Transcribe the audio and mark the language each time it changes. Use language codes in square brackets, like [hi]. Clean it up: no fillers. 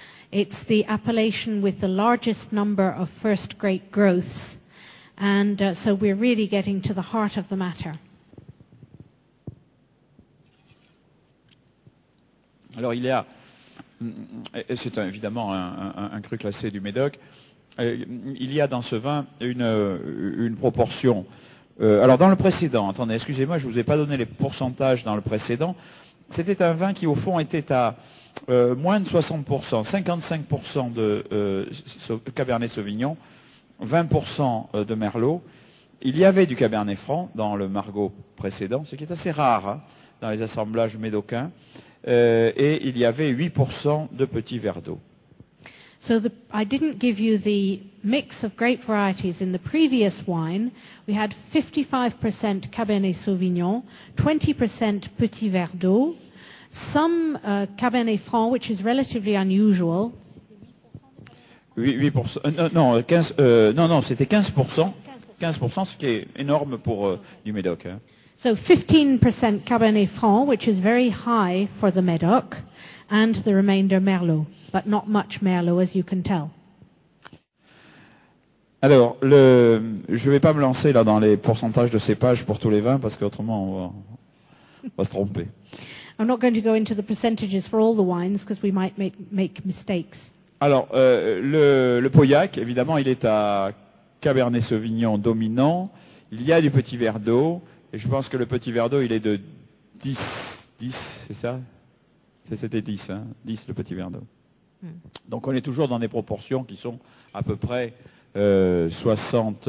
[en] It's the appellation with the largest number of first great growths. And so we're really getting to the heart of the matter. [fr] Alors il y a, et c'est évidemment un cru classé du Médoc, il y a dans ce vin une proportion. Alors dans le précédent, attendez, excusez-moi, je ne vous ai pas donné les pourcentages dans le précédent. C'était un vin qui au fond était à moins de 60%, 55% de Cabernet Sauvignon, 20% de Merlot. Il y avait du Cabernet Franc dans le Margaux précédent, ce qui est assez rare hein, dans les assemblages médocains. Et il y avait 8% de petits verres d'eau. [en] So I didn't give you the mix of grape varieties in the previous wine. We had 55% Cabernet Sauvignon, 20% petits verres d'eau, some Cabernet Franc, which is relatively unusual. [fr] 8%, non, 15, non, c'était 15%. 15%, ce qui est énorme pour du Médoc. Hein. [en] So 15% Cabernet Franc, which is very high for the Médoc, and the remainder Merlot, but not much Merlot, as you can tell. [fr] Alors, je ne vais pas me lancer là dans les pourcentages de cépages pour tous les vins, parce qu'autrement, on va se tromper. [en] I'm not going to go into the percentages for all the wines, because we might make mistakes. [fr] Alors, le Pauillac, évidemment, il est à Cabernet Sauvignon dominant. Il y a du petit verre d'eau. Et je pense que le petit verre d'eau, il est de 10, c'est ça? C'était 10, hein? 10 le petit verre d'eau. Donc on est toujours dans des proportions qui sont à peu près 60.